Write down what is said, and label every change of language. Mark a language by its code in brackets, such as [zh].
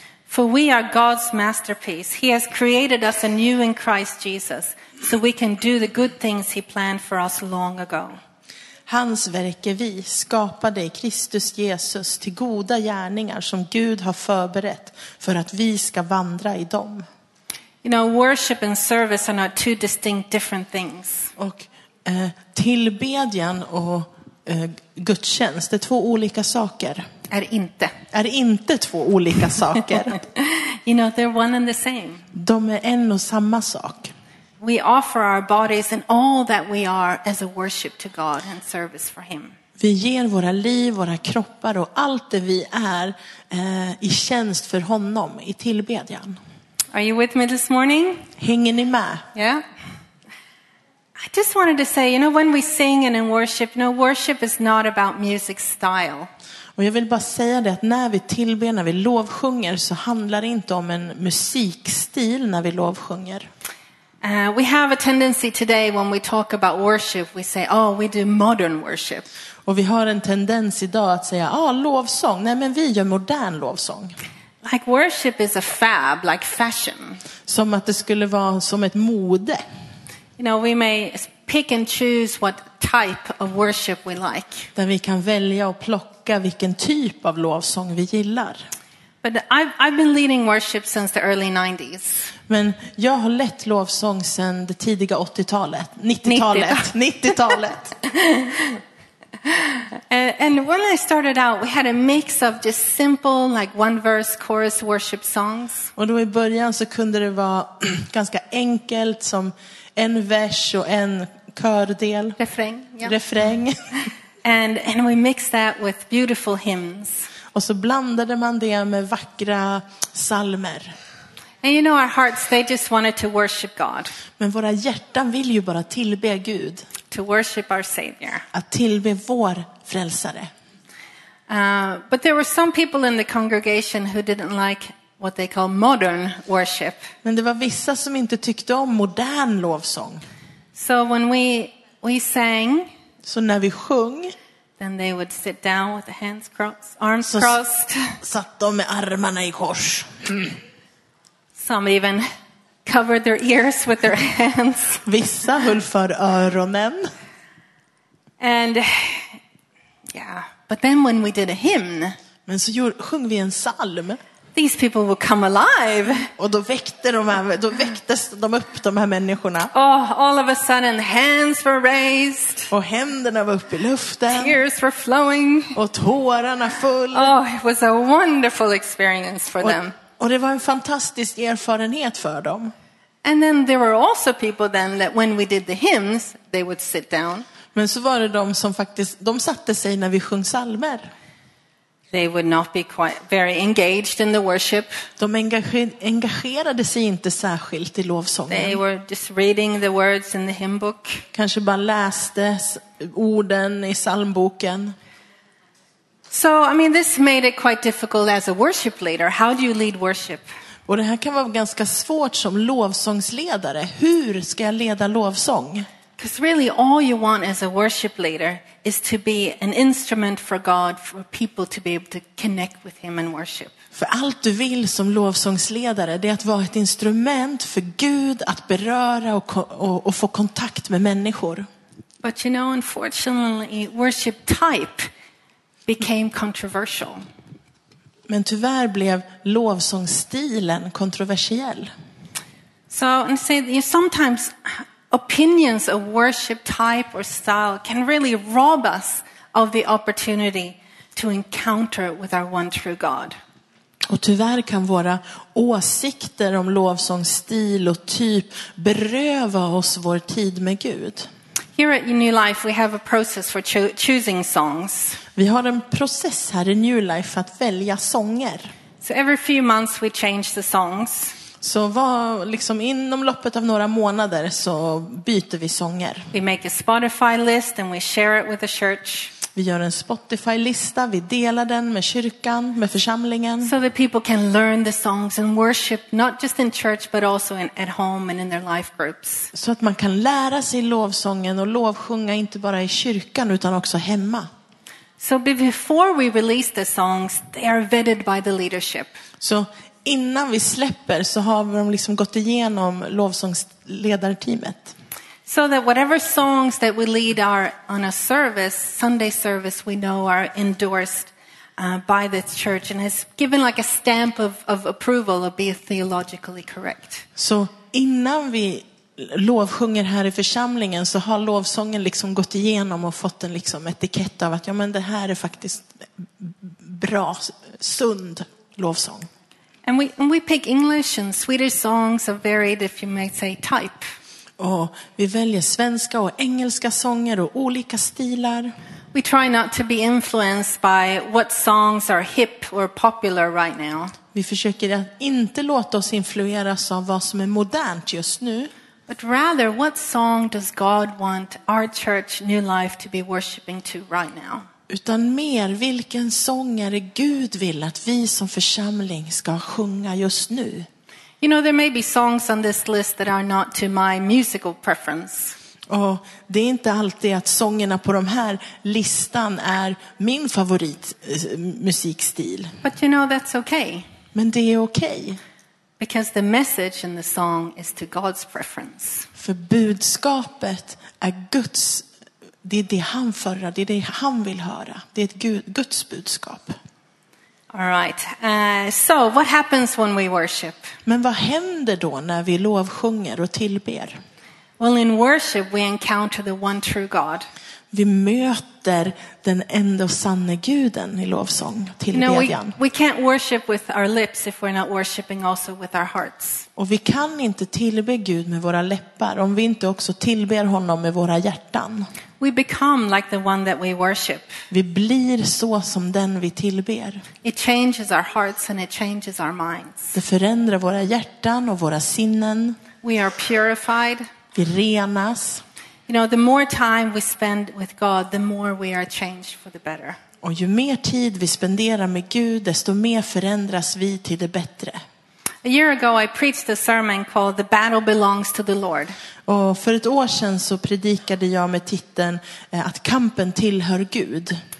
[en] For we are God's masterpiece. He has created us anew in Christ Jesus so we can do the good things he planned for us long ago. [sv] Hans verk är vi, skapade i Kristus Jesus till goda gärningar som Gud har förberett för att vi ska vandra i dem. [en] You know, worship and service are not two distinct different things. [sv] Och tillbedjan och gudstjänst är två olika saker. Är inte två olika saker. [en] You know, they're one and the same. [sv] De är en och samma sak. [en] We offer our bodies and all that we are as a worship to God and service for him. [sv] Vi ger våra liv, våra kroppar och allt det vi är i tjänst för honom i tillbedjan. [en] Are you with me this morning? [sv] Hänger ni med? [en] Yeah. I just wanted to say, you know, when we sing and in worship, you know, worship is not about music style. [sv] Och jag vill bara säga det att när vi tillber, när vi lovsjunger, så handlar det inte om en musikstil när vi lovsjunger. [en] We have a tendency today when we talk about worship, we say, oh, we do modern worship. [sv] Och vi har en tendens idag att säga, ah, lovsång. Nej, men vi gör modern lovsång. [en] Like worship is a fab, like fashion. [sv] Som att det skulle vara som ett mode. [en] You know, we may pick and choose what type of worship we like. [sv] Där vi kan välja och plocka vilken typ av lovsång vi gillar. [en] But I've been leading worship since the early 90s. [sv] Men jag har lett lovsång sedan det tidiga 80-talet, 90-talet, 90-talet. [en] And when I started out, we had a mix of just simple, like one verse chorus worship songs. [sv] Och då i början så kunde det vara ganska enkelt, som en vers och en kördel. Refräng. Yeah. Refräng. [en] And we mixed that with beautiful hymns. [sv] Och så blandade man det med vackra psalmer. [en] And you know, our hearts, they just wanted to worship God. [sv] Men våra hjärtan vill ju bara tillbe Gud. [en] To worship our Savior. [sv] Att tillbe vår frälsare. [en] But there were some people in the congregation who didn't like what they call modern worship. [sv] Men det var vissa som inte tyckte om modern lovsång. [en] So when we sang, [sv] så när vi sjung, [en] then they would sit down with the hands crossed, arms crossed. [sv] Satt de med armarna i kors. [en] Some even covered their ears with their hands. [sv] Vissa höll för öronen. [en] And yeah, but then when we did a hymn, [sv] men så sjung vi en psalm. [en] These people will come alive. [sv] Och då väcktes de upp, de här människorna. [en] Oh, all of a sudden hands were raised. [sv] Och händerna var upp i luften. [en] Tears were flowing. [sv] Och tårarna full. [en] Oh, it was a wonderful experience for them. [sv] Och det var en fantastisk erfarenhet för dem. [en] And then there were also people then that when we did the hymns, they would sit down. [sv] Men så var det de som faktiskt, de satte sig när vi sjöng psalmer. [en] They would not be quite very engaged in the worship. [sv] De engagerade sig inte särskilt i lovsången. [en] They were just reading the words in the hymn book. [sv] Kanske bara läste orden i psalmboken. [en] So, I mean, this made it quite difficult as a worship leader. How do you lead worship? [sv] Och det här kan vara ganska svårt som lovsångsledare. Hur ska jag leda lovsång? [en] Because really all you want as a worship leader is to be an instrument for God, for people to be able to connect with him and worship. [sv] För allt du vill som lovsångsledare, det är att vara ett instrument för Gud att beröra och få kontakt med människor. [en] But you know, unfortunately, worship type became controversial. [sv] Men tyvärr blev lovsångsstilen kontroversiell. [en] So and say so, you know, sometimes opinions of worship type or style can really rob us of the opportunity to encounter with our one true God. [sv] Och tyvärr kan våra åsikter om lovsångsstil och typ beröva oss vår tid med Gud. [en] Here at New Life we have a process for choosing songs. [sv] Vi har en process här i New Life för att välja sånger. [en] So every few months we change the songs. [sv] Så var liksom inom loppet av några månader så byter vi sånger. [en] We make a Spotify list and we share it with the church. [sv] Vi gör en Spotify-lista, vi delar den med kyrkan, med församlingen. [en] So that people can learn the songs and worship not just in church but also in, at home and in their life groups. [sv] Så att man kan lära sig lovsången och lovsjunga inte bara i kyrkan utan också hemma. [en] So before we release the songs they are vetted by the leadership. [sv] Så innan vi släpper så har vi liksom gått igenom lovsångsledarteamet. [en] So that whatever songs that we lead are on a service, Sunday service, we know are endorsed by the church and has given like a stamp of approval of being theologically correct. [sv] Så innan vi lovsjunger här i församlingen så har lovsången liksom gått igenom och fått en liksom etikett av att ja men det här är faktiskt bra, sund lovsång. [en] And we pick English and Swedish songs of varied, if you might say, type. [sv] Och vi väljer svenska och engelska sånger och olika stilar. [en] We try not to be influenced by what songs are hip or popular right now. [sv] Vi försöker att inte låta oss influeras av vad som är modernt just nu. [en] But rather, what song does God want our church New Life to be worshiping to right now? [sv] Utan mer, vilken sång är det Gud vill att vi som församling ska sjunga just nu? [en] You know, there may be songs on this list that are not to my musical preference. [sv] Och det är inte alltid att sångerna på de här listan är min favorit musikstil. [en] But you know, that's okay. [sv] Men det är okej. [en] Okay. Because the message in the song is to God's preference. [sv] För budskapet är Guds, det är det han vill höra. Det är ett Guds budskap. [en] All right. So what happens when we worship? [sv] Men vad händer då när vi lovsjunger och tillber? [en] Well, in worship we encounter the one true God. [sv] Vi möter den enda sanna guden i lovsång tillbedjan. [en] We can't worship with our lips if we're not worshiping also with our hearts. [sv] Och vi kan inte tillbe Gud med våra läppar om vi inte också tillber honom med våra hjärtan. [en] We become like the one that we worship. [sv] Vi blir så som den vi tillber. [en] It changes our hearts and it changes our minds. [sv] Det förändrar våra hjärtan och våra sinnen. [en] We are purified. [sv] Vi renas. [en] You know, the more time we spend with God, the more we are changed for the better. [sv] Och ju mer tid vi spenderar med Gud, desto mer förändras vi till det bättre. [en] A year ago I preached a sermon called The Battle Belongs to the Lord. [sv] Och för ett år sedan så predikade jag med titeln att kampen tillhör Gud.